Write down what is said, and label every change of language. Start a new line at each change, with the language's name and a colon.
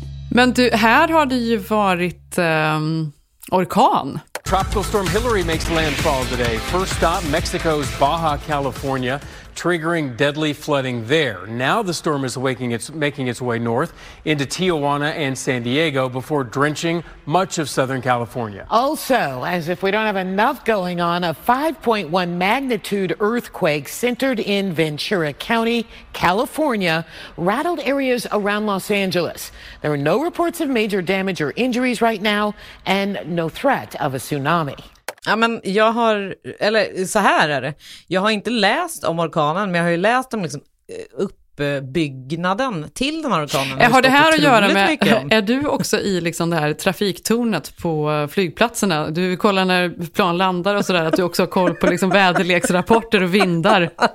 Swedish: Men du, här har det ju varit orkan.
English: Tropical storm Hillary makes landfall today. First stop, Mexico's Baja California, triggering deadly flooding there. Now the storm is making its way north into Tijuana and San Diego before drenching much of Southern California. Also, as if we don't have enough going on, a 5.1 magnitude earthquake centered in Ventura County, California, rattled areas around Los Angeles. There are no reports of major damage or injuries right now and no threat of a tsunami.
Swedish: Ja, men jag har, eller så här är det, jag har inte läst om orkanen, men jag har ju läst om liksom uppbyggnaden till den här orkanen. Har det här att göra med, är du också i liksom det här trafiktornet på flygplatserna? Du kollar när plan landar och sådär, att du också har koll på liksom väderleksrapporter och vindar.